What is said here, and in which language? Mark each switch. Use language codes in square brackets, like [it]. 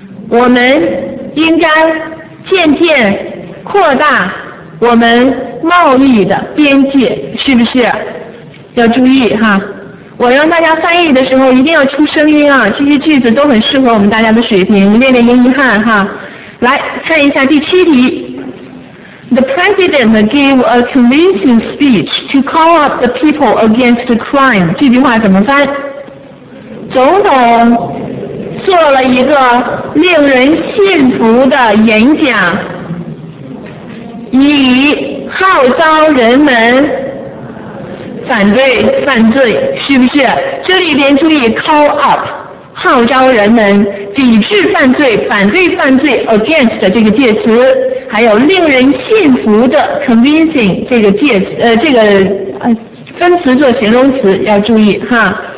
[zh] 我们应该渐渐。扩大我们贸易的边界，是不是？要注意哈，我让大家翻译的时候一定要出声音啊，这些句子都很适合我们大家的水平，练练英译汉哈。 [en] 来看一下第七题 ，The president gave a convincing speech to call up the people against the crime。 [zh] 这句话怎么翻？总统做了一个令人信服的演讲。以号召人们反对犯罪，是不是？这里边注意 call up， 号召人们抵制犯罪，反对犯罪 against 的这个介词，还有令人信服的 convincing 这个介这个分词做形容词要注意哈。